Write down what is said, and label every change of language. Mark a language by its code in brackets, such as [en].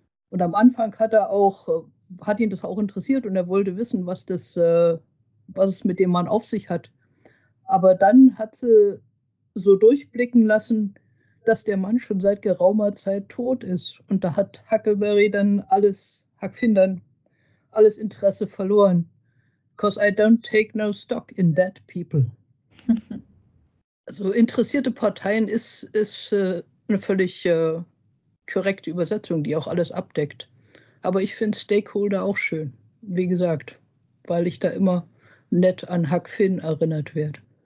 [de] Und am Anfang hat ihn das auch interessiert und er wollte wissen, was es mit dem Mann auf sich hat. Aber dann hat sie so durchblicken lassen, dass der Mann schon seit geraumer Zeit tot ist. Und da hat Huck Finn dann alles Interesse verloren. [en] Because I don't take no stock in dead people. [de] Also interessierte Parteien ist eine völlig korrekte Übersetzung, die auch alles abdeckt. Aber ich finde Stakeholder auch schön, wie gesagt, weil ich da immer nett an Huck Finn erinnert werde.